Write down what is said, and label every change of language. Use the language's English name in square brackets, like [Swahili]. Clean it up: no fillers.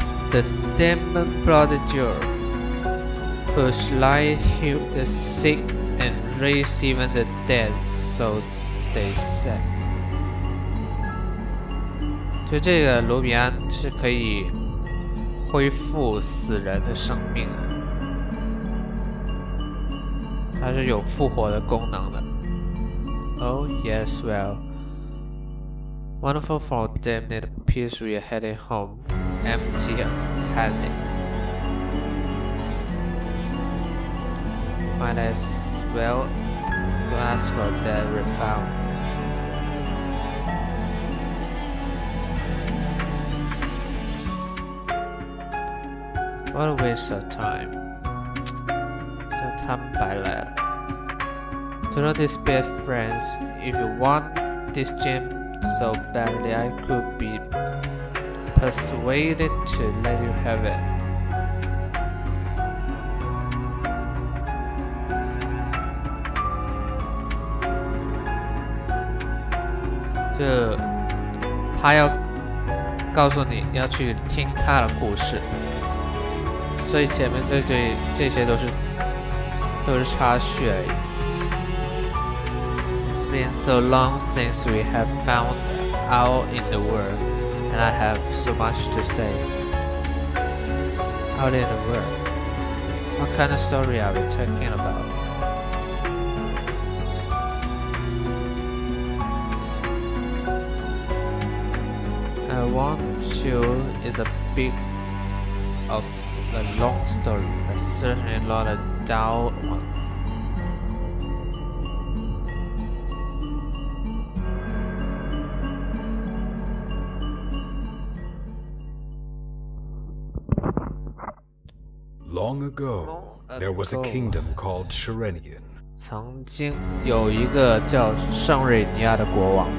[English] The demon prodigal who slide heal the sick and raise even the dead, so they said. [Chinese] 就这个卢比安是可以恢复死人的生命啊，它是有复活的功能的。 [English] Oh yes, well, wonderful for them. It appears we're heading home empty-handed. Might as well go ask for that refund. What a waste of time. [Chinese] 这他们白来了。 [English] Do not despair, friends. If you want this gem so badly, I could be persuaded to let you have it. [Chinese] 这他要告诉你要去听他的故事。所以前面对这些都是插叙而已。 [English] It's been so long since we have found out in the world, and I have so much to say. Out in the world, what kind of story are we talking about? I want you is a big of. A long story, but certainly not a dull one. Long ago, there was a kingdom called Sharenian. [Chinese] 曾经有一个叫圣瑞尼亚的国王。